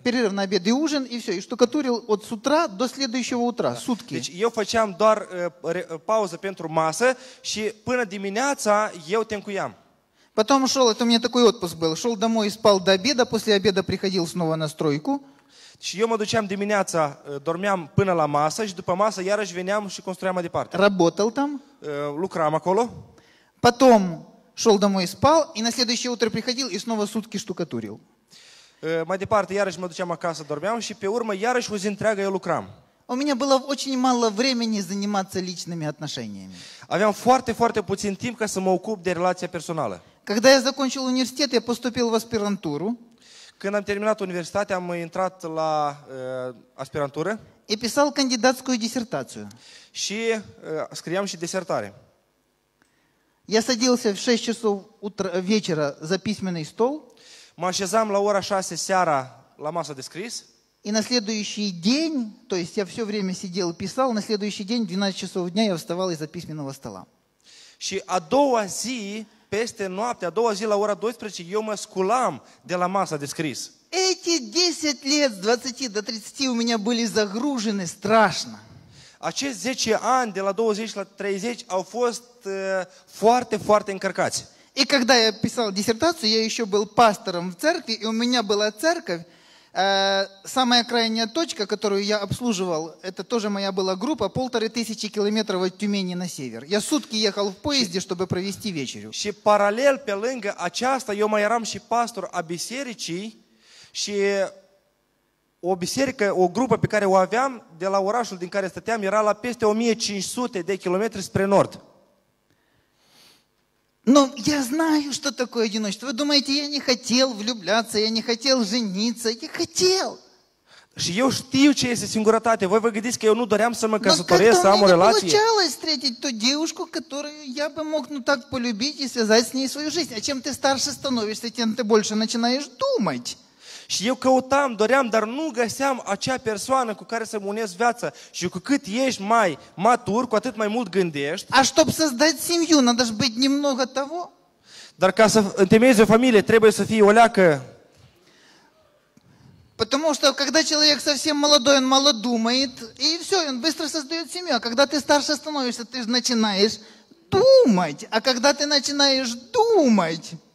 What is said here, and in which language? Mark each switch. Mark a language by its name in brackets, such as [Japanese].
[Russian] перерыв на обед и ужин, и все, и штукатурил от с утра до следующего утра, да. Сутки. [Romanian] Deci, eu făceam doar pauză pentru masă și până dimineața eu tencuiam. [Russian] Потом шел, это у меня такой отпуск был, шел домой, спал до обеда, после обеда приходил снова на стройку. [Romanian] Și eu mă duceam dimineața, dormeam până la masă și după masă iarăși veneam și construiam mai departe. [Russian] Работал там. [Romanian] Lucram acolo. [Russian] Потом шел домой, спал, и на следующее утро приходил и снова сутки штукатурил. [Romanian] Mai departe, iarăși mă duceam acasă, dormeam și pe urmă, iarăși o zi întreagă eu lucram. [Russian] У меня было очень мало времени заниматься личными отношениями. [Romanian] Aveam foarte, foarte puțin timp ca să mă ocup de relația personală. [Russian] Когда я закончил университет, я поступил в аспирантуру. [Romanian] Când am terminat universitatea, am intrat la aspirantură. [Russian] И писал кандидатскую диссертацию. [Romanian] Și scriam și disertare. [Russian] Я садился в 6 часов вечера за письменный стол. [Romanian] Mă așezam la ora 6 seara la masă de scris. [Russian] И на следующий день, то есть я все время сидел, писал, на следующий день, 12 часов дня, я вставал из-за письменного стола. [Romanian] Și a doua zi, Peste noapte, a doua zi la ora 12, eu mă sculam de la masa de scris. [Russian] Эти 10 лет с 20 до 30 у меня были загружены страшно. [Romanian] Acești 10 ani de la 20 la 30 au fost foarte încărcați. [Russian] И когда я писал диссертацию, я еще был пастором в церкви, и у меня была церковь, самая крайняя точка, которую я обслуживал, это тоже моя была группа, 1500 километров от Тюмени на север. Я сутки ехал в поезде, чтобы провести вечерю. [Romanian] Și paralel pe lângă aceasta, eu mai eram și pastor a bisericii, și o biserică, o grupă pe care o aveam de la orașul din care stăteam era la peste 1500 de kilometri spre nord. [Russian] Но я знаю, что такое одиночество. Вы думаете, я не хотел влюбляться, я не хотел жениться, я хотел. [Romanian] Și eu știu ce este singurătate. Voi vă gândiți că eu nu doream să mă căsătoresc, să am o relație. [Russian] Но как-то мне не получалось встретить ту девушку, которую я бы мог ну так полюбить и связать с ней свою жизнь. А чем ты старше становишься, тем ты больше начинаешь думать. [Romanian] Și eu căutam, doream, dar nu găseam acea persoană cu care să -mi unesc viața. Și cu cât ești mai matur, cu atât mai mult gândești. [Russian] А чтобы создать семью, надо же быть немного того. [Romanian] Dar ca să întemeiezi o familie, trebuie să fii oleacă. [Russian] Потому что когда человек совсем молодой, он мало думает, и все, он быстро создает семью. А когда ты старше становишься, ты же начинаешь думать. А когда ты начинаешь думать...